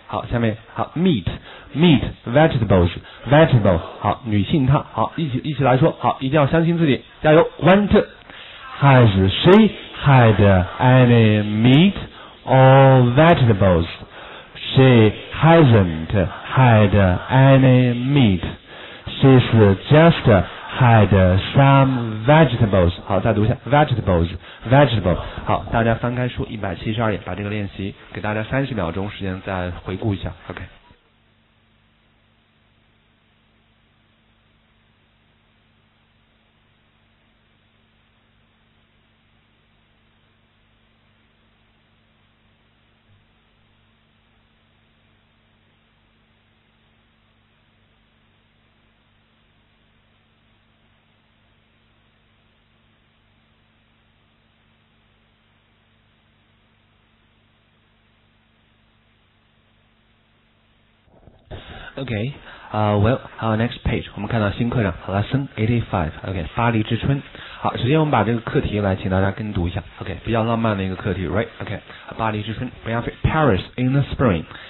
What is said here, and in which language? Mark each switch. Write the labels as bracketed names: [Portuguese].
[Chinese] 好，下面好 [English] meat, meat, vegetables, vegetables. [Chinese] 好，女性她好，一起来说，好，一定要相信自己，加油 ， [English] one two. Has she had any meat or vegetables? She hasn't had any meat. She's just had some vegetables. [Chinese] 好，再读一下 [English] vegetables, vegetables. [Chinese] 好，大家翻开书172页，把这个练习给大家30秒钟时间再回顾一下。 [English] OK。 Okay, well, our next page, [Chinese] 我们看到新课程 Lesson 85, okay, 巴黎之春。好，首先我们把这个课题来请大家跟读一下 okay, 比较浪漫的一个课题 right, okay, 巴黎之春 [English] Paris in the spring,